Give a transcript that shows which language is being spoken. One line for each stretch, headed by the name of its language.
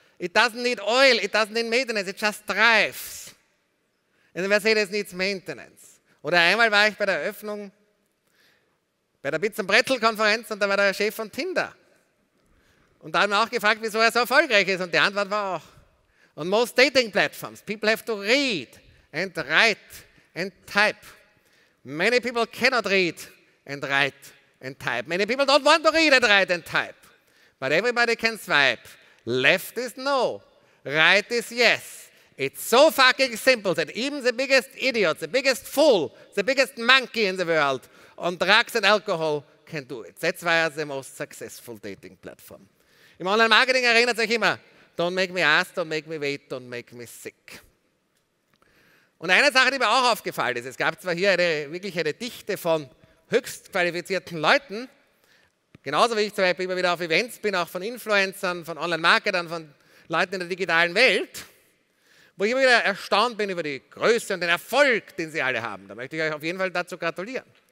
English: It doesn't need oil, it doesn't need maintenance, it just drives. And the Mercedes needs maintenance.
German: Oder einmal war ich bei der Eröffnung, bei der Bits & Brezel Konferenz und da war der Chef von Tinder. Und da haben wir auch gefragt, wieso er so erfolgreich ist und die Antwort war auch,
English: on most dating platforms, people have to read and write and type. Many people cannot read and write entype. Many people don't want to read and write and type. But everybody can swipe. Left is no. Right is yes. It's so fucking simple that even the biggest idiot, the biggest fool, the biggest monkey in the world on drugs and alcohol can do it. That's why it's the most successful dating platform.
German: Im Online-Marketing erinnert sich immer,
English: don't make me ask, don't make me wait, don't make me sick.
German: Und eine Sache, die mir auch aufgefallen ist, es gab zwar hier eine Dichte von höchst qualifizierten Leuten, genauso wie ich zum Beispiel immer wieder auf Events bin, auch von Influencern, von Online-Marketern, von Leuten in der digitalen Welt, wo ich immer wieder erstaunt bin über die Größe und den Erfolg, den sie alle haben. Da möchte ich euch auf jeden Fall dazu gratulieren.